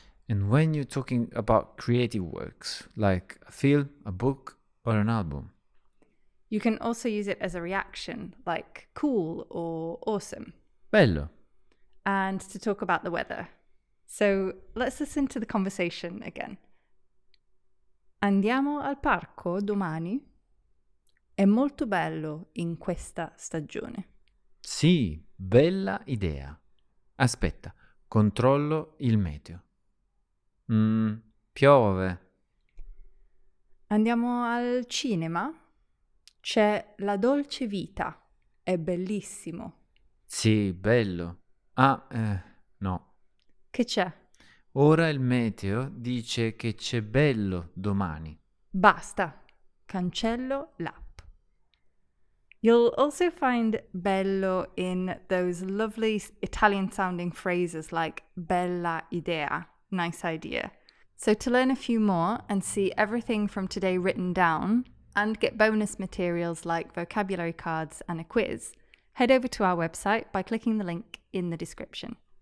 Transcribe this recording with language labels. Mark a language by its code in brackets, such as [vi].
[en] And when you're talking about creative works, like a film, a book, or an album? You can also use it as a reaction, like cool or awesome. [it] Bello. [en] And to talk about the weather. So let's listen to the conversation again. [it] Andiamo al parco domani? È molto bello in questa stagione. Sì, bella idea. Aspetta, controllo il meteo. Piove. Andiamo al cinema? C'è La dolce vita. È bellissimo. Sì, bello. No. Che c'è? Ora il meteo dice che c'è bello domani. Basta. Cancello l'app. [en] You'll also find bello in those lovely Italian-sounding phrases like bella idea, nice idea. So to learn a few more and see everything from today written down and get bonus materials like vocabulary cards and a quiz, head over to our website by clicking the link in the description.